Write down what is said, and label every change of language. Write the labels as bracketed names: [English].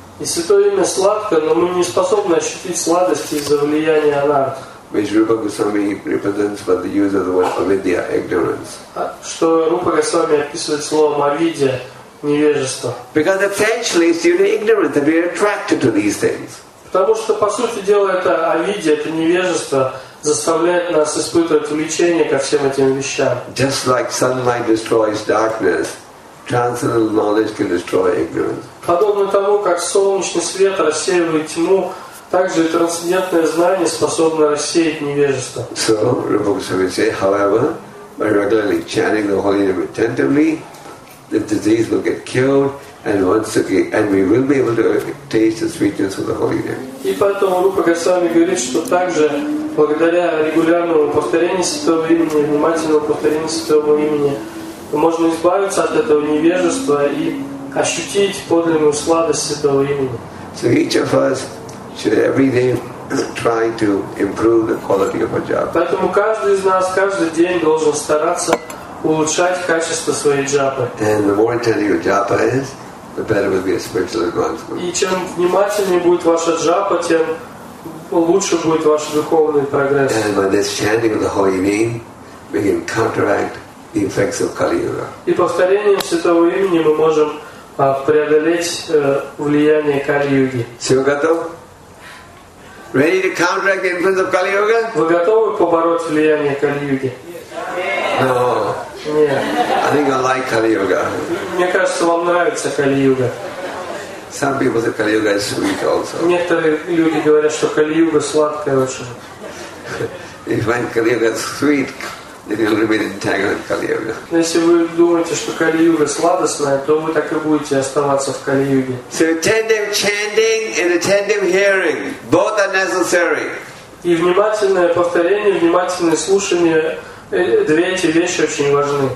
[Russian] И святое имя сладкое, но мы не способны ощутить сладости из-за влияния анарт. [English] Which Rupa Goswami represents by the use of the word avidya, ignorance. [Russian] Что Рупа Госвами описывает словом авидья, невежество. [English] Because essentially it's due to ignorance that we are attracted to these things. [Russian] Потому что по сути дела это авидья, это невежество, заставляет нас испытывать влечение ко всем этим вещам. [English] Just like sunlight destroys darkness, transcendental knowledge can destroy ignorance. [Russian] Подобно тому, как солнечный свет рассеивает тьму, также и трансцендентное знание способно рассеять невежество. [English] So, Rupa Goswami says, however, by regularly chanting the holy name attentively, the disease will get cured, and we will be able to taste the sweetness of the holy name. [Russian] И поэтому Рупа Госвами говорит, что также благодаря регулярному повторению святого имени, внимательному повторению святого имени, можно избавиться от этого невежества и ощутить подлинную сладость этого имени. [English] So each of us should every day try to improve the quality of our japa. [Russian] Поэтому каждый из нас каждый день должен стараться улучшать качество своей джапы. [English] And the more intense your japa is, the better will be your spiritual advancement. [Russian] И чем внимательнее будет ваша джапа, тем лучше будет ваш духовный прогресс. [English] And by this chanting of the holy name, we can counteract the effects of Kali Yuga. [Russian] И повторением святого имени мы можем преодолеть влияние Кали Юги. Все готов? [English] Ready to counteract the influence of Kali Yuga? [Russian] Вы готовы побороть влияние Кали Юги? [English] No. [Russian] Нет. [English] I think I like Kali Yuga. [Russian] Мне кажется, вам нравится Кали Юга. [English] Some people say Kali Yuga is sweet also. [Russian] Некоторые люди говорят, что Кали Юга сладкая очень. [English] If you find Kali Yuga sweet, then you'll remain entangled in Kali Yuga. [Russian] Если вы думаете, что Кали Юга сладостная, то вы так и будете оставаться в Кали Юге. [English] So attentive chanting and attentive hearing, both are necessary. [Russian] И внимательное повторение, внимательное слушание. Две эти вещи очень важны.